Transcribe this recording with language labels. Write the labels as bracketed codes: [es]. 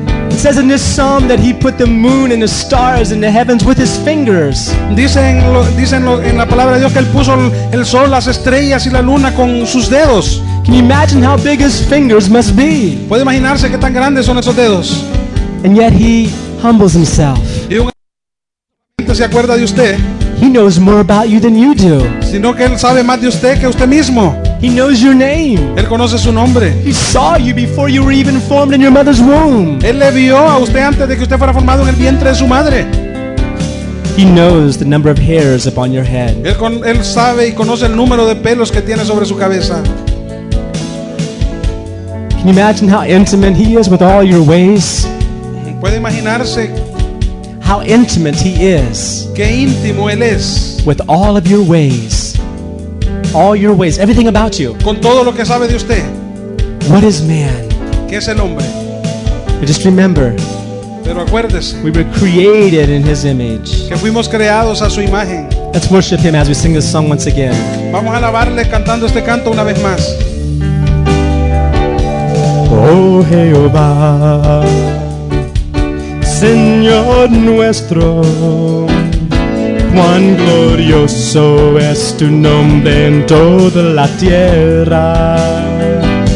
[en] It says in this psalm that he put the moon and the stars in the heavens with his fingers. [es] Dicen en la palabra de Dios que él puso el sol, las estrellas y la luna con sus dedos. [en] Can you imagine how big his fingers must be? [es] ¿Puede imaginarse qué tan grandes son esos dedos? [en] And yet he humbles himself. [es] ¿Se acuerda de usted? [en] He knows more about you than you do. [es] Sino que él sabe más de usted que usted mismo. [en] He knows your name. [es] Él conoce su nombre. [en] He saw you before you were even formed in your mother's womb. [es] Él le vio a usted antes de que usted fuera formado en el vientre de su madre. [en] He knows the number of hairs upon your head. [es] Él sabe y conoce el número de pelos que tiene sobre su cabeza. [en] Can you imagine how intimate he is with all your ways? [es] ¿Puede imaginarse? [en] How intimate he is. [es] Qué íntimo él es. [en] With all of your ways. All your ways. Everything about you. [es] Con todo lo que sabe de usted. [en] What is man? [es] ¿Qué es el hombre? [en] Just remember. [es] Pero acuérdese. [en] We were created in his image. [es] Que fuimos creados a su imagen. [en] Let's worship him as we sing this song once again. [es] Vamos a alabarle cantando este canto una vez más. Oh Jehová, Señor nuestro, cuán glorioso es tu nombre en toda la tierra.